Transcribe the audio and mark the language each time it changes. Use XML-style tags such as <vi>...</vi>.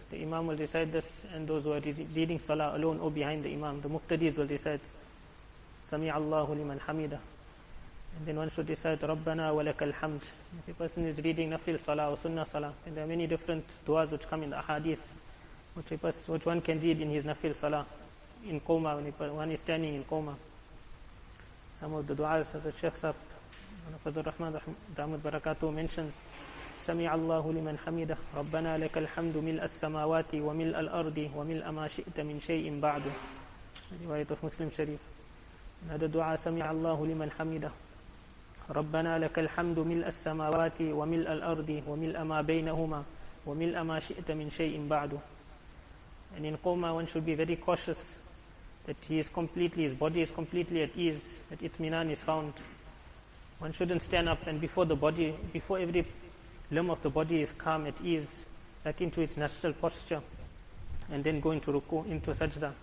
<en>The imam will recite this, and those who are reading salah alone or behind the imam, the muqtadis will recite</en> <ar>Sami Allahu liman hamida.</ar> <en>And then one should recite</en> <ar>Rabbana wa laka alhamd.</ar> <en>If a person is reading Nafil Salah or Sunnah Salah, and there are many different du'as which come in the Ahadith, which one can read in his Nafil Salah in coma, when one is standing in coma. Some of the du'as, as the Shaykh Sahib, one of Fazlur Rahman, Da'amud Barakatuh, mentions,</en> <ar>سمع الله لمن حمده ربنا لك الحمد ملء السماوات وملء الأرض وملء ما شئت من شيء بعد. رواية مسلم شريف. هذا دعاء سمع الله لمن حمده ربنا لك الحمد ملء السماوات وملء الأرض وملء ما بينهما وملء ما شئت من شيء بعد.</ar> <en>And in coma one should be very cautious that he is completely, his body is completely at ease, that itminan is found. One shouldn't stand up and before the body, before every limb of the body is calm, at ease, back into its natural posture, and then go into ruku, into sajda.</en>